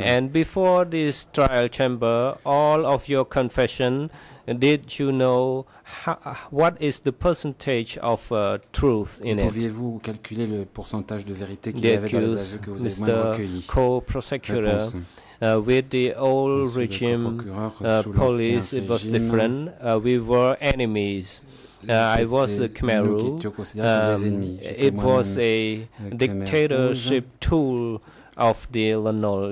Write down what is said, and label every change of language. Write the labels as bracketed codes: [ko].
[en] And before this trial chamber, all of your confession, did you know what is the percentage of truth in it? [fr] Pouviez-vous calculer le pourcentage de vérité qu'il y avait dans les aveux que vous avez moi-même recueillis? [en] Co-prosecutor, with the old regime, police, it was different. We were enemies. I was the Khmer Rouge. It was a dictatorship tool of the Lanol.